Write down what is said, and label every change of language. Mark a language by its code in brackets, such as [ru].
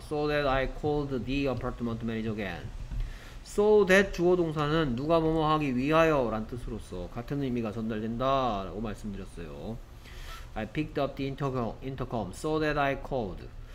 [en] So that I called the apartment manager again. [ko] So that 주어 동사는 누가 뭐뭐 하기 위하여란 뜻으로써 같은 의미가 전달된다라고 말씀드렸어요. [en] I picked up the intercom so that I called.